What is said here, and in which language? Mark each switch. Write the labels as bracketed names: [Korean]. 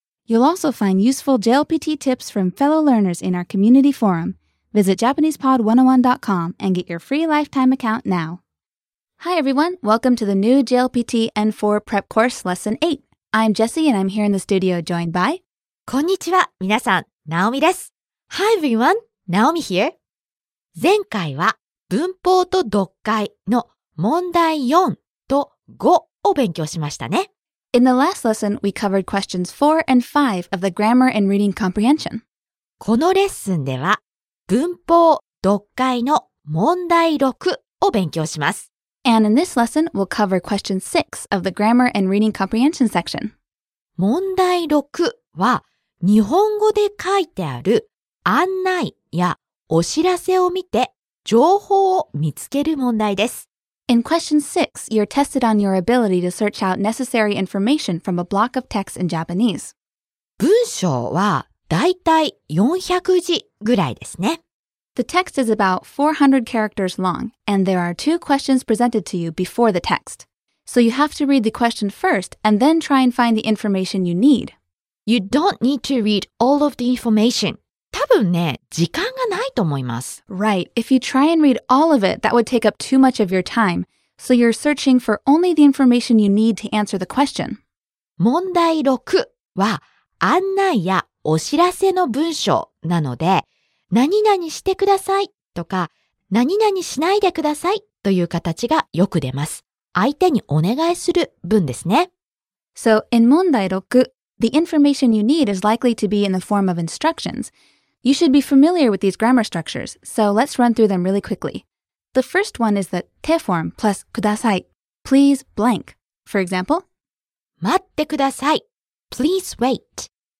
[English] You'll also find useful JLPT tips from fellow learners in our community forum. Visit JapanesePod101.com and get your free lifetime account now. Hi everyone, welcome to the new JLPT N4 Prep Course Lesson 8. I'm Jessie and I'm here in the studio joined by... [Japanese] こんにちは、皆さん、ナオミです。 [English] Hi everyone, Naomi here. [Japanese] 前回は文法と読解の問題4と5を勉強しましたね。 [English] In the last lesson, we covered questions 4 and 5 of the grammar and reading comprehension. [Japanese] このレッスンでは文法、読解の問題6を勉強します。 [English] And in this lesson, we'll cover question 6 of the grammar and reading comprehension section. [Japanese] 問題6は日本語で書いてある案内やお知らせを見て情報を見つける問題です。 [English] In question 6, you're tested on your ability to search out necessary information from a block of text in Japanese. [Japanese] 文章はだいたい400字ぐらいですね。 [English] The text is about 400 characters long, and there are two questions presented to you before the text. So you have to read the question first and then try and find the information you need. You don't need to read all of the information. [Japanese] 多分ね、時間がないと思います。 [English] Right. If you try and read all of it, that would take up too much of your time. So you're searching for only the information you need to answer the question. [Japanese] 問題6は案内やお知らせの文章なので、何々してくださいとか、何々しないでくださいという形がよく出ます。相手にお願いする文ですね。 [English] So, in 問題6The information you need is likely to be in the form of instructions. You should be familiar with these grammar structures, so let's run through them really quickly. The first one is the te form plus kudasai, please blank. For example, [Japanese] 待ってください [English] please wait.